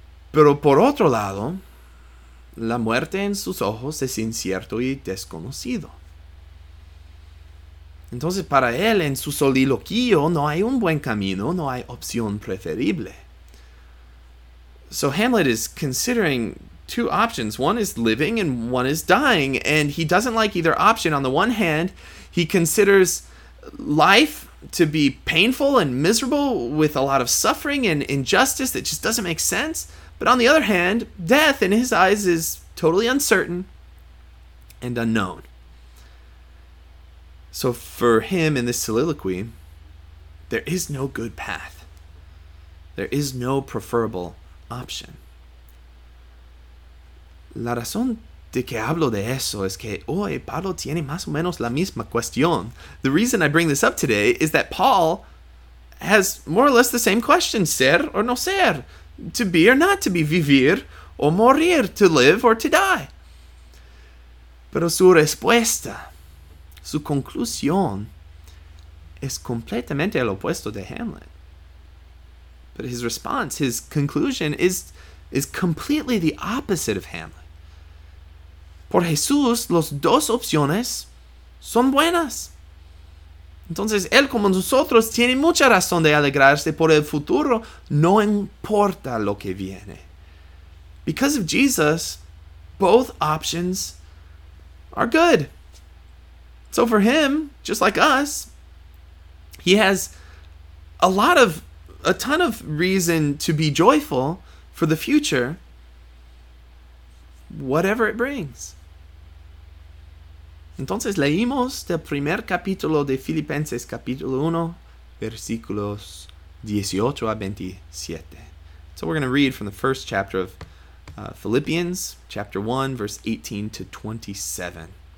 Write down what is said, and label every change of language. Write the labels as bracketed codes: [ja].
[es] Pero por otro lado, la muerte en sus ojos es incierto y desconocido. Entonces, para él, en su soliloquio, no hay un buen camino, no hay opción preferible. [en] So Hamlet is considering 2 options. One is living and one is dying, and he doesn't like either option. On the one hand, he considers life to be painful and miserable with a lot of suffering and injustice that just doesn't make sense. But on the other hand, death in his eyes is totally uncertain and unknown. So for him in this soliloquy, there is no good path. There is no preferable option. [es] La razón de que hablo de eso es que hoy Pablo tiene más o menos la misma cuestión. [en] The reason I bring this up today is that Paul has more or less the same question, [es] ser or no ser, [en] to be or not to be, [es] vivir o morir, [en] to live or to die. [es] Pero su respuesta, su conclusión es completamente el opuesto de Hamlet. [en] But his response, his conclusion, is completely the opposite of Hamlet. [es] Por Jesús, las 2 opciones son buenas. Entonces, él como nosotros tiene mucha razón de alegrarse por el futuro. No importa lo que viene. [en] Because of Jesus, both options are good. So for him, just like us, he has a ton of reason to be joyful for the future, whatever it brings. [es] Entonces leímos del primer capítulo de Filipenses, capítulo 1, versículos 18 a 27. [en] So we're going to read from the first chapter of Philippians, chapter 1, verse 18 to 27.